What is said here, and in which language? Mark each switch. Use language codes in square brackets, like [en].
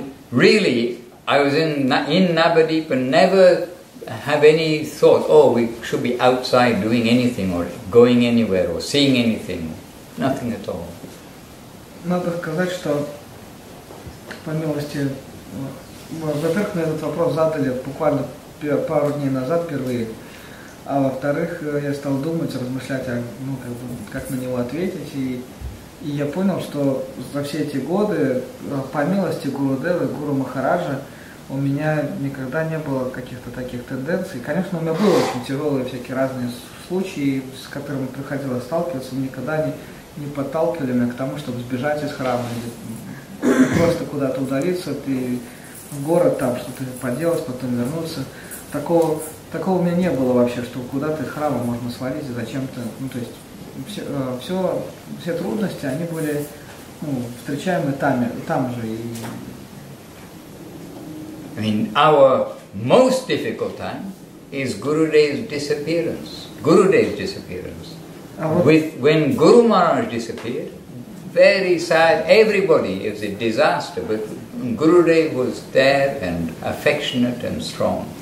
[en] Really, I was in Navadvipa and never have any thought, oh, we should be outside doing anything or going anywhere or seeing anything, nothing at all. [ru] Надо сказать, что, по милости, во-первых, мне этот вопрос задали буквально пару дней назад впервые, а во-вторых, я стал думать, размышлять, как на него ответить, и я понял, что за все эти годы, по милости Гуру Девы, Гуру Махараджа, у меня никогда не было каких-то таких тенденций. Конечно, у меня были очень тяжелые всякие разные случаи, с которыми приходилось сталкиваться, никогда не подталкивали меня к тому, чтобы сбежать из храма или просто куда-то удалиться, ты в город там что-то поделать, потом вернуться. Такого у меня не было вообще, что куда-то из храма можно свалить и зачем-то. Ну, то есть все трудности, они были встречаемы там же. И... [en] I mean, our most difficult time is Gurudev's disappearance. When Guru Maharaj disappeared, very sad. Everybody is a disaster, but Gurudev was there and affectionate and strong.